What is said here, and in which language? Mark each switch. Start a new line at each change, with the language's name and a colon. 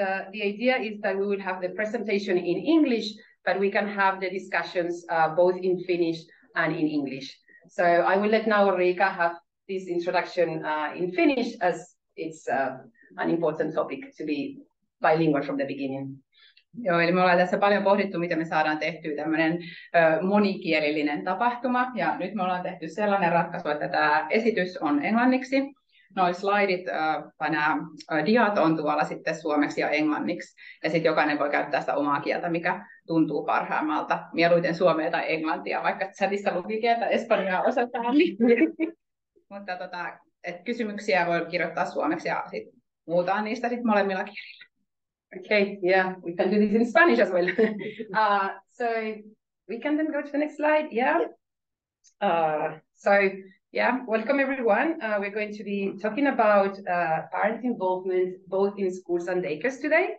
English: The idea is that we will have the presentation in English, but we can have the discussions both in Finnish and in English. So I will let now Riika have this introduction in Finnish, as it's an important topic to be bilingual from the beginning.
Finnish: Joo, eli me ollaan tässä paljon pohdittu, miten me saadaan tehtyä tämmöinen monikielillinen tapahtuma. Ja nyt me ollaan tehty sellainen ratkaisu, että tämä esitys on englanniksi. Noi slaidit tai nämä diat on tuolla sitten suomeksi ja englanniksi. Ja sitten jokainen voi käyttää sitä omaa kieltä, mikä tuntuu parhaimmalta. Mieluiten suomea tai englantia, vaikka chatissa luki kieltä espanjaa osataan. Mutta kysymyksiä voi kirjoittaa suomeksi ja sit muutaan niistä sit molemmilla kielillä.
English: Okay, yeah, we can do this in Spanish as well. So we can then go to the next slide, yeah. So welcome everyone. We're going to be talking about parent involvement both in schools and daycares today.